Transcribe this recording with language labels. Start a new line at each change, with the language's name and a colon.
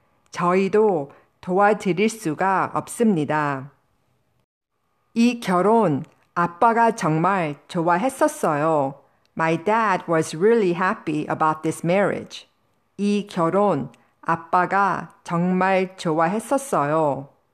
Korean: 저희도 도와드릴 수가 없습니다. 이 결혼 아빠가 정말 좋아했었어요.
English: My dad was really happy about this marriage.
Korean: 이 결혼 아빠가 정말 좋아했었어요.